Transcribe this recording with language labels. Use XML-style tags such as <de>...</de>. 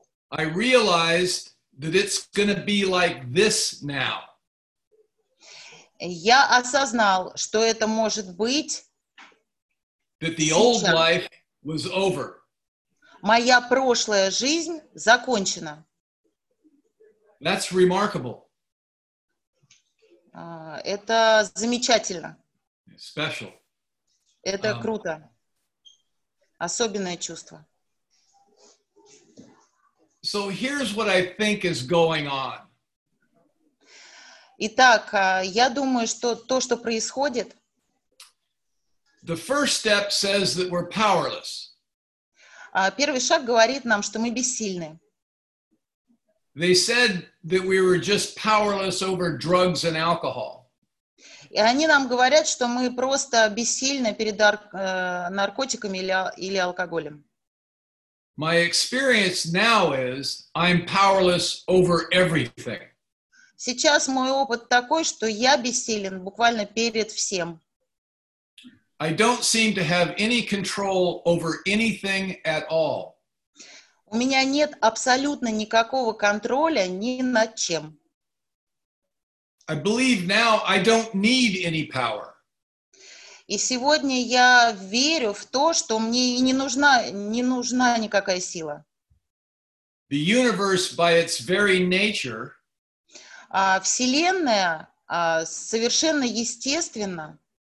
<en>I realized that it's going to be like this now.</en> <ru>Я осознал, что это может быть.</ru> <en>That the old life was over.</en> <ru>Моя прошлая жизнь закончена.</ru> <en>That's remarkable.</en> <ru>Это замечательно.</ru> <en>Special.</en> <ru>Это круто. Особенное чувство.</ru> <en>So here's what I think is going on.</en> <ru>Итак, я думаю, что то, что происходит.</ru> <en>The first step says that we're powerless.</en> <ru>Первый шаг говорит нам, что мы бессильны.</ru> <en>They said that we were just powerless over drugs and alcohol.</en> <ru>И они нам говорят, что мы просто бессильны перед наркотиками или алкоголем.</ru> <en>My experience now is I'm powerless over everything.</en> <ru>Сейчас мой опыт такой, что я бессилен буквально перед всем.</ru> <en>I don't seem to have any control over anything at all.</en> <ru>У меня нет абсолютно никакого контроля ни над чем.</ru> <en>I believe now I don't need any power.</en> <ru>И сегодня я верю в то, что мне и не нужна никакая сила.</ru> <en>The universe by its very nature,</en> <ru>Вселенная совершенно естественно</ru>